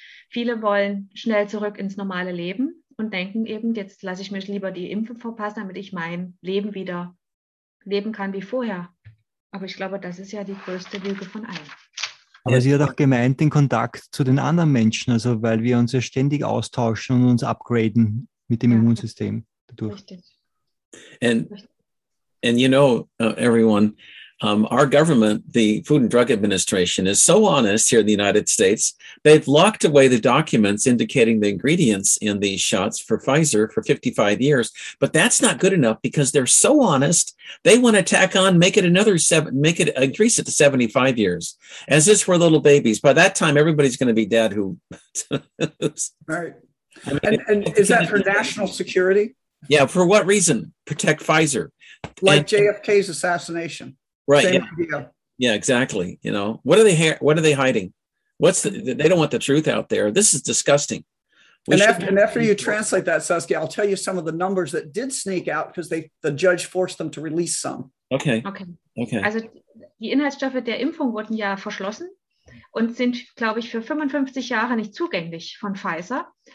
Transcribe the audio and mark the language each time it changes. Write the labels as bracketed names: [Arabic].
[German] Viele wollen schnell zurück ins normale Leben und denken eben, jetzt lasse ich mich lieber die Impfung verpassen, damit ich mein Leben wieder leben kann wie vorher. Aber ich glaube, das ist ja die größte Lüge von allen. Aber sie hat auch gemeint, den Kontakt zu den anderen Menschen, also weil wir uns ja ständig austauschen und uns upgraden mit dem Immunsystem dadurch. Richtig. [English] And you know, everyone, our government, the Food and Drug Administration, is so honest here in the United States. They've locked away the documents indicating the ingredients in these shots for Pfizer for 55 years. But that's not good enough because they're so honest. They want to tack on, increase it to 75 years, as is for little babies. By that time, everybody's going to be dead. Who? Right. And is that for national security? Yeah. For what reason? Protect Pfizer. JFK's assassination. Right. Same idea. Yeah, exactly. You know, what are they hiding? They don't want the truth out there. This is disgusting. And after you translate that, Saskia, I'll tell you some of the numbers that did sneak out because the judge forced them to release some. Okay. [German] Also die Inhaltsstoffe der Impfung wurden ja verschlossen und sind, glaube ich, für 55 Jahre nicht zugänglich von Pfizer.